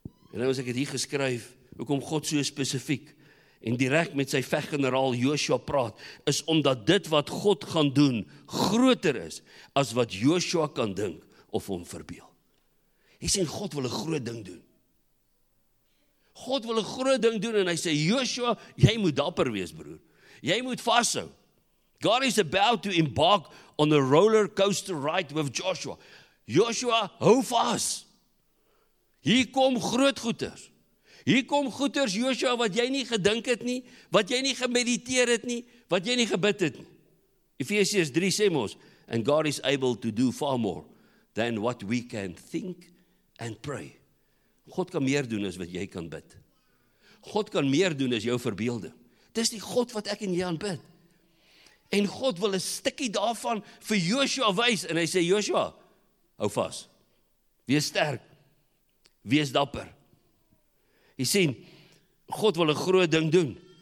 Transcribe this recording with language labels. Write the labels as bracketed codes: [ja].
[af] En nou as ek het hier geskryf, hoekom God so spesifiek en direct met sy veggeneraal Joshua praat, is omdat dit wat God gaan doen, groter is as wat Joshua kan dink of hom verbeel. Hy sê, God wil 'n groot ding doen. God wil 'n groot ding doen en hy sê, Joshua, jy moet dapper wees, broer. Jy moet vashou. [en] God is about to embark on a roller coaster ride with Joshua. [af] Joshua, hou vas. Hier kom groot goeters. Hier kom goeters, Joshua, wat jy nie gedink het nie, wat jy nie gemediteer het nie, wat jy nie gebid het nie. Efesiërs 3 sê ons, [en] and God is able to do far more than what we can think and pray. [af] God kan meer doen as wat jy kan bid. God kan meer doen as jou verbeelding. Dis die God wat ek en jy aanbid. En God wil 'n stukkie daarvan vir Joshua wys en hy sê, Joshua, hou vas, wees sterk, wees dapper. Jy sien, God wil 'n groot ding doen.